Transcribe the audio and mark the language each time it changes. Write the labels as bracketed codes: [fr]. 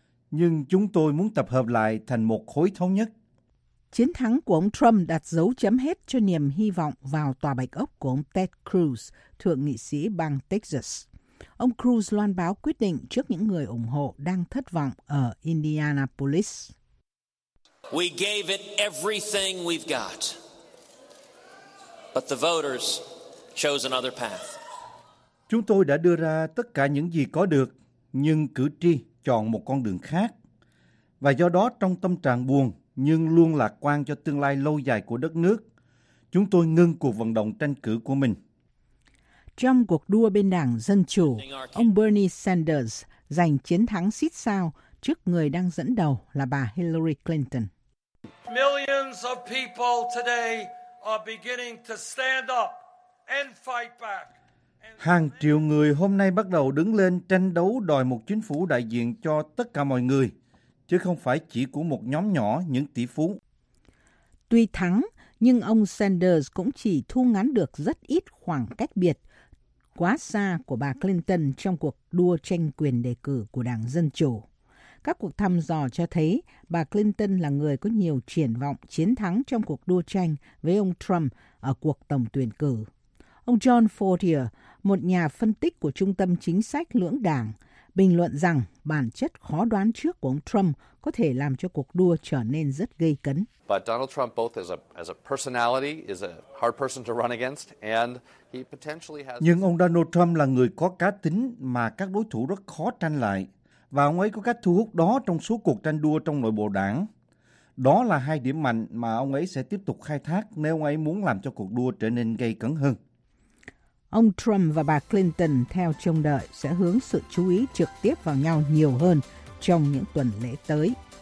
[vi] Nhưng chúng tôi muốn tập hợp lại thành một khối thống nhất. Chiến thắng của ông Trump đặt dấu chấm hết cho niềm hy vọng vào tòa bạch ốc của ông Ted Cruz, thượng nghị sĩ bang Texas. Ông Cruz loan báo quyết định trước những người ủng hộ đang thất vọng ở Indianapolis. [en] We gave it everything we've got. But the voters chose another path. [vi] Chúng tôi đã đưa ra tất cả những gì có được, nhưng cử tri chọn một con đường khác. Và do đó trong tâm trạng buồn nhưng luôn lạc quan cho tương lai lâu dài của đất nước, chúng tôi ngưng cuộc vận động tranh cử của mình. Trong cuộc đua bên Đảng Dân Chủ, ông Bernie Sanders giành chiến thắng sít sao trước người đang dẫn đầu là bà Hillary Clinton. [en] Millions of people today are beginning to stand up and fight back. [vi] Hàng triệu người hôm nay bắt đầu đứng lên tranh đấu đòi một chính phủ đại diện cho tất cả mọi người, chứ không phải chỉ của một nhóm nhỏ những tỷ phú. Tuy thắng, nhưng ông Sanders cũng chỉ thu ngắn được rất ít khoảng cách biệt quá xa của bà Clinton trong cuộc đua tranh quyền đề cử của Đảng Dân Chủ. Các cuộc thăm dò cho thấy bà Clinton là người có nhiều triển vọng chiến thắng trong cuộc đua tranh với ông Trump ở cuộc tổng tuyển cử. Ông John Fortier, một nhà phân tích của Trung tâm Chính sách Lưỡng Đảng, bình luận rằng bản chất khó đoán trước của ông Trump có thể làm cho cuộc đua trở nên rất gây cấn. [en] But Donald Trump both as a personality is a hard person to run against and he potentially has. [vi] Nhưng ông Donald Trump là người có cá tính mà các đối thủ rất khó tranh lại. Và ông ấy có cách thu hút đó trong số cuộc tranh đua trong nội bộ đảng. Đó là hai điểm mạnh mà ông ấy sẽ tiếp tục khai thác nếu ông ấy muốn làm cho cuộc đua trở nên gay cấn hơn. Ông Trump và bà Clinton theo trông đợi sẽ hướng sự chú ý trực tiếp vào nhau nhiều hơn trong những tuần lễ tới.